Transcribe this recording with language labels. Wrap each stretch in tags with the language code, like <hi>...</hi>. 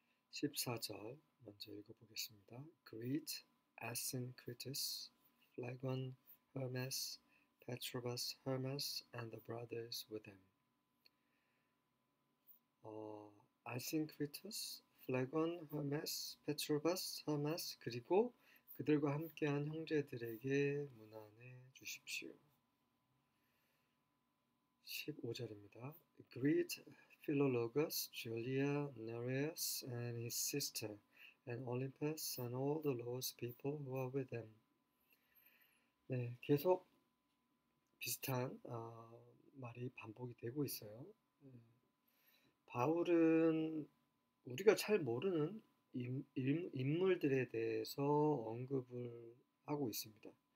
<ko>14절 먼저 읽어보겠습니다.</ko> <en>Greet Asyncritus, Phlegon, Hermas, Patrobas, Hermas, and the brothers with him.</en> <ko>Asyncritus, Phlegon, Hermas, Patrobas, Hermas, 그리고 그들과 함께한 형제들에게 문안해 주십시오. 15절입니다.</ko> <en>Greet Philologus, Julia, Nereus, and his sister, and Olympus, and all the Lord's people who are with them.</en> <ko>네, 계속 비슷한 말이 반복이 되고 있어요. 바울은 우리가 잘 모르는 인물들에 대해서 언급을 하고 있습니다.</ko>